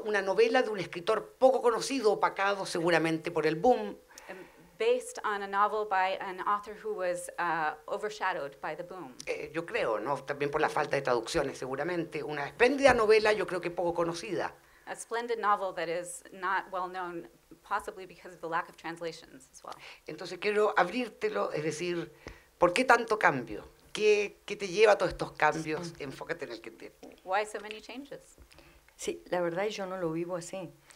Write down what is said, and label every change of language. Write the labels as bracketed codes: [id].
[es] Una novela de un escritor poco conocido, opacado seguramente por el boom. [en] Based on a novel by an author who was overshadowed by the boom. [es] Yo creo, ¿no? También por la falta de traducciones, seguramente. Una espléndida novela, yo creo que poco conocida. [en] A splendid novel that is not well known, possibly because of the lack of translations as well. [es] Entonces quiero abrírtelo, es decir, ¿por qué tanto cambio? ¿Qué te lleva a todos estos cambios? Enfócate en el que te... [en] Why so many changes? [es] Sí, la verdad yo no lo vivo así.